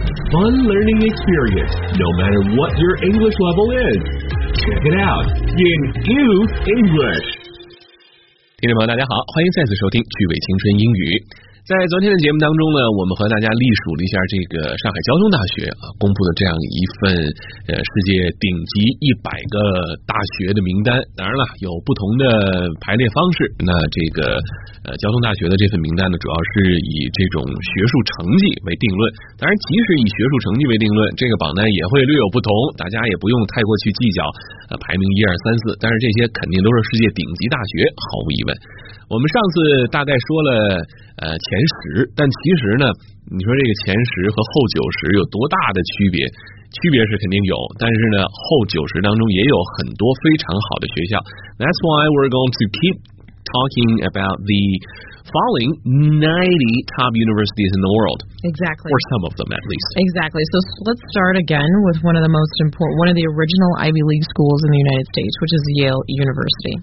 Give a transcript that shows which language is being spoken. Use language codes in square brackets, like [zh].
[en] Fun learning experience, no matter what your English level is. Check it out in Use English. [zh] 听众朋友大家好，欢迎再次收听趣味青春英语。在昨天的节目当中呢，我们和大家历数了一下这个上海交通大学啊公布的这样一份世界顶级100个大学的名单。当然了，有不同的排列方式。那这个交通大学的这份名单呢，主要是以这种学术成绩为定论。当然即使以学术成绩为定论，这个榜单也会略有不同，大家也不用太过去计较排名1、2、3、4，但是这些肯定都是世界顶级大学，毫无疑问。我们上次大概说了前十，但其实呢，你说这个前十和后九十有多大的区别？区别是肯定有，但是呢，后九十当中也有很多非常好的学校。 [en] That's why we're going to keep talking about the following 90 top universities in the world. Exactly. Or some of them, at least. Exactly. So let's start again with one of the most important, one of the original Ivy League schools in the United States, which is Yale University.